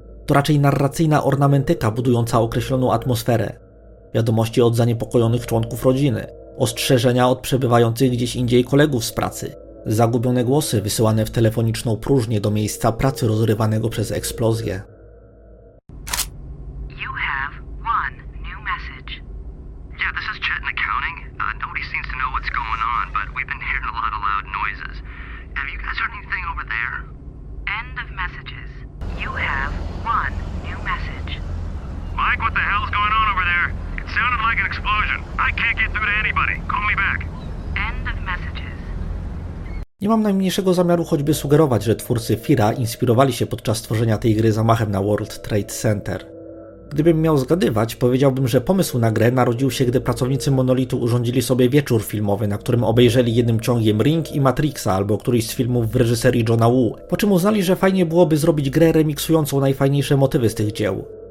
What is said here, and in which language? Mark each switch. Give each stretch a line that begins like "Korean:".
Polish: To raczej narracyjna ornamentyka budująca określoną atmosferę. Wiadomości od zaniepokojonych członków rodziny, ostrzeżenia od przebywających gdzieś indziej kolegów z pracy, zagubione głosy wysyłane w telefoniczną próżnię do miejsca pracy rozrywanego przez eksplozję.
English: You have one new message. Yeah, this is Chet in accounting. Nobody seems to know what's going on, but we've been hearing a lot of loud noises. Have you guys heard anything over there? End of messages. You have one new message. Mike, what the hell's going on over there? It sounded like an explosion. I can't get through to anybody. Call me back. End of messages.
Polish: Nie mam najmniejszego zamiaru choćby sugerować, że twórcy FIRA inspirowali się podczas tworzenia tej gry zamachem na World Trade Center. Gdybym miał zgadywać, powiedziałbym, że pomysł na grę narodził się, gdy pracownicy Monolitu urządzili sobie wieczór filmowy, na którym obejrzeli jednym ciągiem Ring i Matrixa albo któryś z filmów w reżyserii Johna Woo, po czym uznali, że fajnie byłoby zrobić grę remiksującą najfajniejsze motywy z tych dzieł.